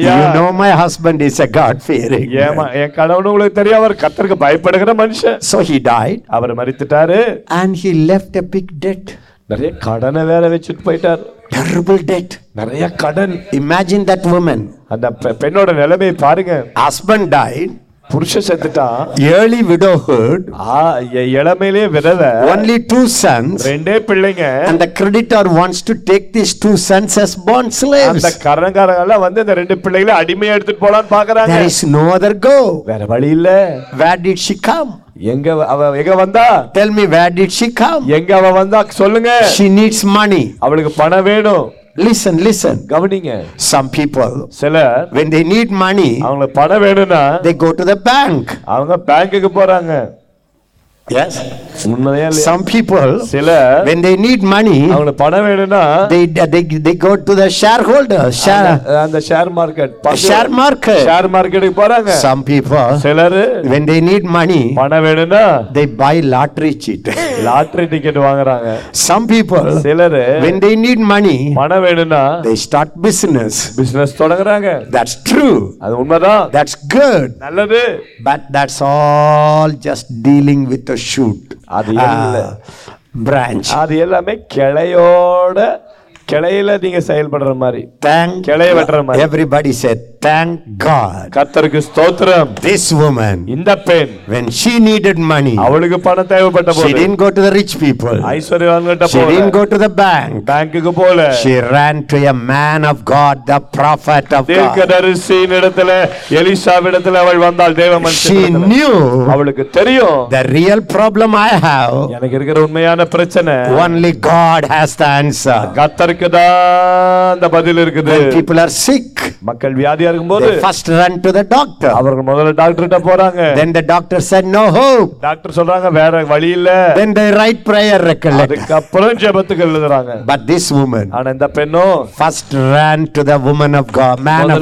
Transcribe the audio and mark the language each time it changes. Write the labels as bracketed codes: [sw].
[en] You know my husband is a God fearing. [ta] ஏமா என் கணவன் உங்களுக்கு தெரியும் அவர் கர்த்தருக்கு பயப்படுகிற மனுஷன். [en] So he died. [ta] Our மரித்துட்டாரு. [en] And he left a big debt. [ta] நிறைய கடன் வேற வச்சிட்டு போயிட்டார். [en] Terrible debt. [ta] நிறைய கடன். [en] Imagine that woman. [ta] அந்த பெண்ணோட நிலைமை பாருங்க. [en] Husband died. [ta] புருஷ செத்துட்டா. [en] Early widowhood. [ta] இளமையிலே விதவை. [en] Only two sons. [ta] ரெண்டே பிள்ளைங்க. [en] And the creditor wants to take these two sons as bond slaves. [ta] அந்த கரங்காரங்க எல்லாம் வந்து இந்த ரெண்டு பிள்ளைகளை அடிமையா எடுத்துட்டு போலாம்னு பாக்குறாங்க. [en] There is no other go. [ta] வேற வழி இல்ல. [en] Where did she come? [ta] எங்க அவ எங்க வந்தா? [en] Tell me where did she come? [ta] எங்க அவ வந்தா சொல்லுங்க. [en] She needs money. [ta] அவளுக்கு பணம் வேணும். [en] Listen. Governing it. Some people. [ta] Sila. [en] When they need money. [ta] அவங்க பணம் வேணும்னா. [en] They go to the bank. [ta] அவங்க பேங்க்க்கு போறாங்க. [en] Yes. [ta] உண்மையா இல்ல? [en] Some people. [ta] Sila. [en] When they need money. [ta] அவங்க பணம் வேணும்னா. [en] They go to the shareholder. [ta] அந்த share market. Share market-க்கு போறாங்க. [en] Some people. [ta] சிலர். [en] When they need money. [ta] பணம் வேணும்னா. [en] They buy lottery ticket. [ta] Lottery ticket வாங்குறாங்க. [en] Some people. [ta] சிலர். [en] When they need money. [ta] பணம் வேணும்னா. [en] They start business. [ta] Business தொடங்குறாங்க. [en] That's true. [ta] அது உண்மைதான். [en] That's good. [ta] நல்லது. [en] But that's all just dealing with the shoot. [ta] அது இல்ல. [en] Branch. [ta] அது எல்லாமே கிளையோட கிளையில நீங்க செயல்படுற மாதிரி. [en] Thank [ta] கிளைய வெட்டுற மாதிரி. [en] Everybody said thank God. [ta] கர்த்தருக்கு ஸ்தோத்திரம். [en] This woman. [ta] இந்த பெண். [en] When she needed money. [ta] அவளுக்கு பணம் தேவைப்பட்ட போது. [en] She didn't go to the rich people. [ta] ஐஸ்வர்யவான் கிட்ட போல. [en] She didn't go to the bank. [ta] பேங்க்க்கு போல. [en] She ran to a man of God, the prophet of God. [ta] தீர்க்கதரிசியின் இடத்துல எலிசா இடத்துல அவள் வந்தாள் தேவமனுஷன். [en] She knew. [ta] அவளுக்கு தெரியும். [en] The real problem I have. [ta] எனக்கு இருக்கிற உண்மையான பிரச்சனை. [en] Only God has the answer. [ta] கர்த்தருக்கு தான் அந்த பதில் இருக்குது. [en] People are sick. [ta] மக்கள் வியாதியா இருக்கும்போது [en] first run to the doctor. [ta] அவர்கள் முதல்ல டாக்டர் கிட்ட போறாங்க. [en] Then the doctor said no hope. [ta] Doctor சொல்றாங்க வேற வழி இல்ல. [en] Then they write prayer record. [ta] அதுக்கு அப்புறம் ஜெபத்துக்கு எழுதுறாங்க. [en] But this woman. [ta] ஆனா இந்த பெண்ணோ [en] first run to the woman of God, man of God.